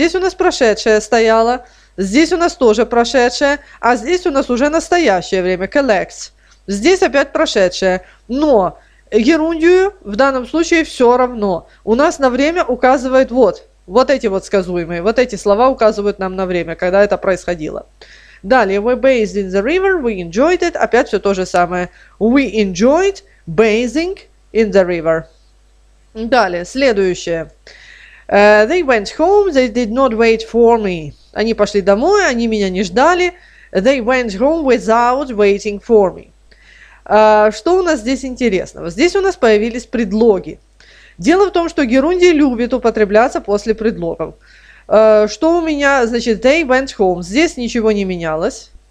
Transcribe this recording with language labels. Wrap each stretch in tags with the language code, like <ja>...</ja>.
<ru>Здесь у нас прошедшее стояло, здесь у нас тоже прошедшее, а здесь у нас уже настоящее время, collects. Здесь опять прошедшее, но герундию в данном случае все равно. У нас на время указывает вот. Вот эти вот сказуемые, вот эти слова указывают нам на время, когда это происходило. Далее,</ru> <en>we bathed in the river, we enjoyed it.</en> <ru>Опять все то же самое.</ru> <en>We enjoyed bathing in the river.</en> <ru>Далее, следующее.</ru> <en>They went home, they did not wait for me.</en> <ru>Они пошли домой, они меня не ждали.</ru> <en>They went home without waiting for me.</en> <ru>Что у нас здесь интересного? Здесь у нас появились предлоги. Дело в том, что герундий любит употребляться после предлогов. Что у меня, значит,</ru> <en>they went home.</en> <ru>Здесь ничего не менялось.</ru>